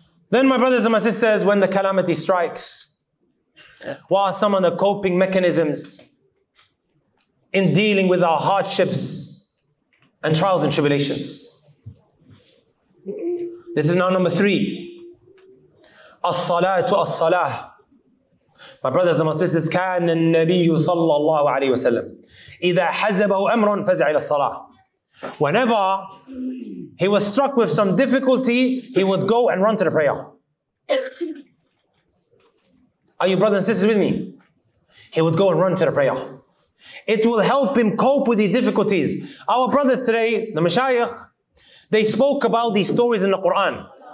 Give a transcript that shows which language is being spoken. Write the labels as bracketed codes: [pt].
[en] Then, my brothers and my sisters, when the calamity strikes, what are some of the coping mechanisms in dealing with our hardships and trials and tribulations? This is now number three. As-salatu as-salah. My brothers and my sisters, [ar] كان النبي صلى الله عليه وسلم إذا حزبه أمر فزع إلى الصلاة. [en] Whenever he was struck with some difficulty, he would go and run to the prayer. Are you brothers and sisters with me? He would go and run to the prayer. It will help him cope with these difficulties. Our brothers today, the mashayikh, they spoke about these stories in the Quran.